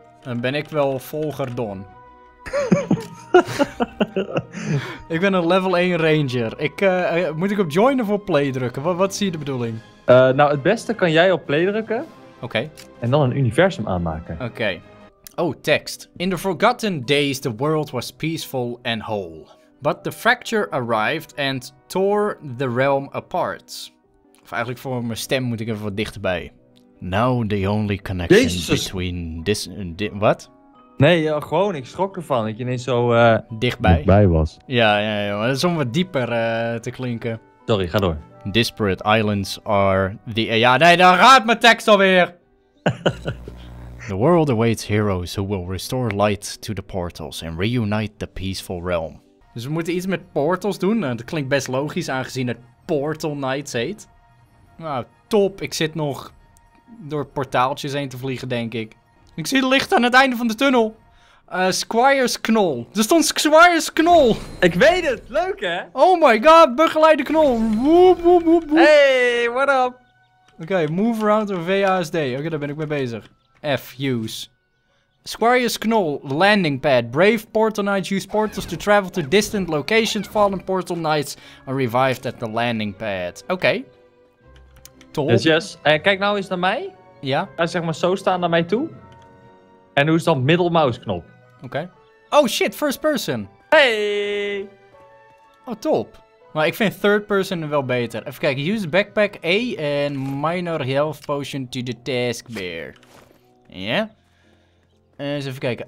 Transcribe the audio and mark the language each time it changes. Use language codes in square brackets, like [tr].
[nl] Dan ben ik wel volger Don. Ik ben een level 1 ranger. Moet ik op join of op play drukken? Wat zie je de bedoeling? Nou, het beste kan jij op play drukken. Oké. En dan een universum aanmaken. Oké. Oh, tekst. [en] In the forgotten days, the world was peaceful and whole. But the fracture arrived and tore the realm apart. [nl] Of eigenlijk voor mijn stem moet ik even wat dichterbij. [en] Now the only connection Jesus. Between this... [nl] Wat? Nee, gewoon. Ik schrok ervan. Dat je ineens zo... Dichtbij was. Ja. Dat is om wat dieper te klinken. Sorry, ga door. [en] Disparate islands are the... [nl] Ja, nee, dan raad mijn tekst alweer. [en] The world awaits heroes who will restore light to the portals and reunite the peaceful realm. [nl] Dus we moeten iets met portals doen. Dat klinkt best logisch aangezien het Portal Knights heet. Nou, top. Ik zit nog door portaaltjes heen te vliegen, denk ik. Ik zie het licht aan het einde van de tunnel. Squire's Knol. Er stond Squire's Knol. Ik weet het. Leuk, hè? [en] Oh my god, [nl] begeleide Knol. Woep, woep, woep, woep. [en] Hey, what up? Oké, move around or VASD. [nl] Oké, daar ben ik mee bezig. [en] F, use. Squire's Knoll, landing pad. Brave Portal Knights use portals to travel to distant locations. Fallen Portal Knights are revived at the landing pad. [nl] Oké. Top. Yes. Kijk nou eens naar mij. Ja. Zeg maar zo staan naar mij toe. En hoe is dan middelmouse knop? [en] Oké. Oh shit, first person. Hey. [nl] Oh, top. Maar ik vind third person wel beter. Even kijken, [en] use backpack A [nl] en [en] minor health potion to the task bear. [nl] Ja. Yeah. Eens even kijken.